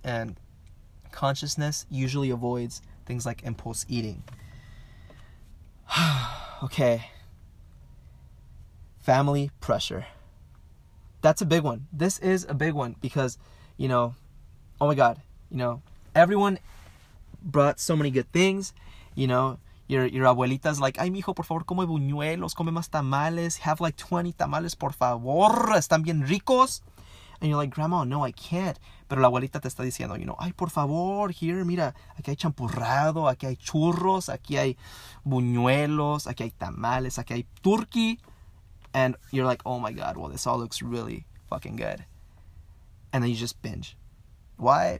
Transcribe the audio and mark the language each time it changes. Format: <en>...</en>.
<en>And consciousness usually avoids things like impulse eating. Okay. Family pressure. That's a big one. This is a big one because, you know, oh my God, you know, everyone brought so many good things. You know, your abuelita's like,</en> <es>ay, mijo, por favor, come buñuelos, come más tamales,</es> <en>have like 20 tamales,</en> <es>por favor, están bien ricos.</es> <en>And you're like, grandma, no, I can't.</en> <es>Pero la abuelita te está diciendo,</es> <en>you know,</en> <es>ay, por favor, here, mira, aquí hay champurrado, aquí hay churros, aquí hay buñuelos, aquí hay tamales, aquí hay turkey.</es> <en>And you're like, oh my God, well, this all looks really fucking good. And then you just binge. Why?</en>